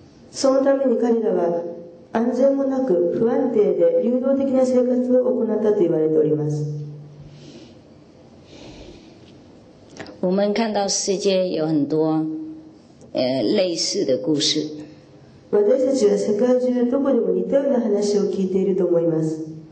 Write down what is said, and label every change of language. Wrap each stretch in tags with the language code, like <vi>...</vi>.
<ja>そのために彼らは安全もなく不安定で流動的な生活を行ったと言われております。</ja> <zh>我们看到世界有很多类似的故事。</zh> <ja>私たちは世界中どこでも似たような話を聞いていると思います。</ja>